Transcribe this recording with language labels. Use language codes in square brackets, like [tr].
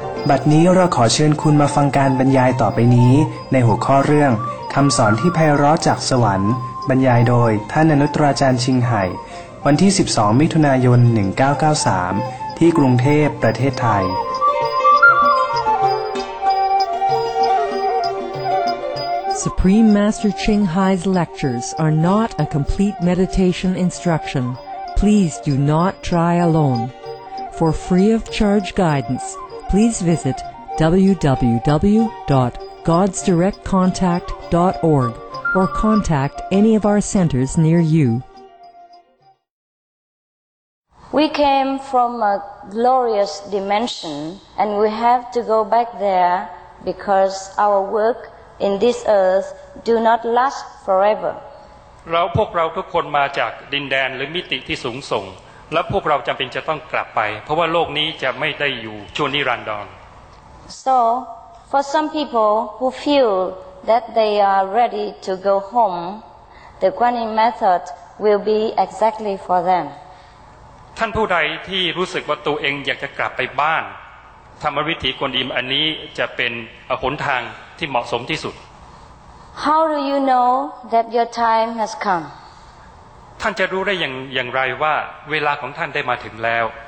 [th] บัดนี้เราขอเชิญคุณมาฟังการบรรยายต่อไปนี้ในหัวข้อเรื่องคำสอนที่ไพเราะจากสวรรค์บรรยายโดยท่านอนุตราจารย์ชิงไห่วันที่12มิถุนายน1993ที่กรุงเทพประเทศไทย [en] Supreme Master Ching Hai's lectures are not a complete meditation instruction. Please do not try alone. For free of charge guidance, please visit www.godsdirectcontact.org or contact any of our centers near you. We came from a glorious dimension and we have to go back there because our workin this earth do not last forever [th] เราพวกเราทุกคนมาจากดินแดนหรือมิติที่สูงส่งและพวกเราจําเป็นจะต้องกลับไปเพราะว่าโลกนี้จะไม่ได้อยู่ชั่วนิรันดร [en] So for some people who feel that they are ready to go home the Kuan Yin method will be exactly for them [th] ท่านผู้ใดที่รู้สึกว่าตัวเองอยากจะกลับไปบ้านธรรมวิถีกวนอิมอันนี้จะเป็นหนทางที่เหมาะสมที่สุด [en] How do you know that your time has come? [th] ท่านจะรู้ได้อย่างไรว่าเวลาของท่านได้มาถึงแล้ว